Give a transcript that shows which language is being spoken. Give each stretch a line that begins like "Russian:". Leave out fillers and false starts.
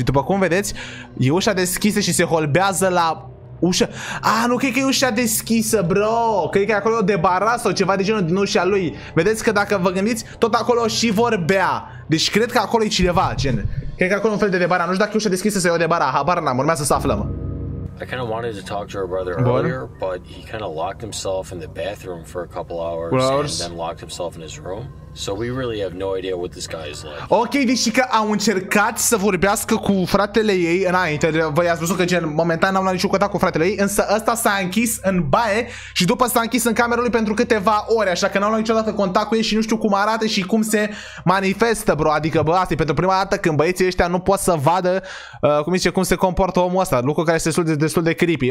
Romanian: Și după cum vedeți, e ușa deschisă și se holbează la ușa. Ah, nu cred că e ușa deschisă, bro. Cred că e acolo o debarasă sau ceva de genul din ușa lui. Vedeți că dacă vă gândiți, tot acolo și vorbea. Deci cred că acolo e cineva, gen. Cred că acolo e un fel de debara. Nu știu dacă e ușa deschisă sau e o debara. Habar n-am, urmează să aflăm.
English: I kind of wanted to talk to her brother earlier, but he kind of locked himself in the bathroom for a couple hours, and then locked himself in his room. So we really have no idea what this guy is like.
Romanian: Okay, deci că au încercat să vorbească cu fratele ei înainte. Vă i-ați văzut că gen momentan n-au luat niciun contact cu fratele ei, însă ăsta s-a închis în baie și după s-a închis în camera lui pentru câteva ore, așa că n-au luat niciodată contact cu el și nu știu cum arată și cum se manifestă, bro. Adică, bă, asta e pentru prima dată când băieții ăștia nu pot să vadă cum zice, cum se comportă omul ăsta, lucru care este destul de creepy.